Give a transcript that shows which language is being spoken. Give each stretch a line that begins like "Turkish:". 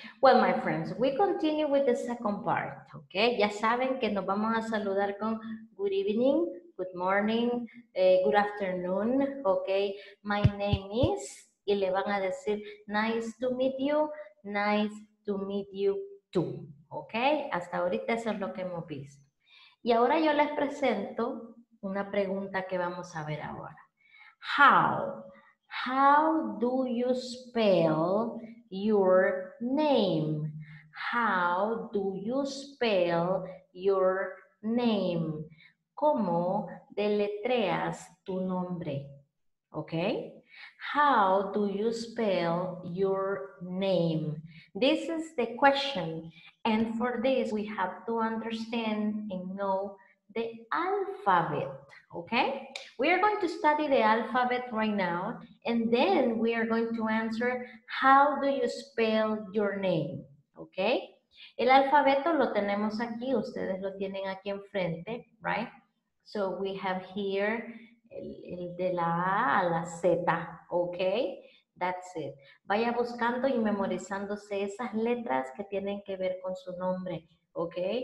English: Well, my friends, we continue with the second part.
Spanish: Okay. Ya saben que nos vamos a saludar con
English: good evening, good morning, good afternoon.
Spanish: Okay.
English: My name is.
Spanish: Y le van a decir
English: nice to meet you, nice to meet you too. Okay.
Spanish: Hasta ahorita eso es lo que hemos visto. Y ahora yo les presento una pregunta que vamos a ver ahora.
English: How do you spell your name? How do you spell your name?
Spanish: ¿Cómo deletreas tu nombre? Okay?
English: How do you spell your name? This is the question. And for this, we have to understand and know the alphabet, okay? We are going to study the alphabet right now, and then we are going to answer how do you spell your name, okay?
Spanish: El alfabeto lo tenemos aquí, ustedes lo tienen aquí enfrente, right?
English: So we have here
Spanish: el de la A a la Z,
English: okay? That's it.
Spanish: Vaya buscando y memorizándose esas letras que tienen que ver con su nombre. ¿Ok?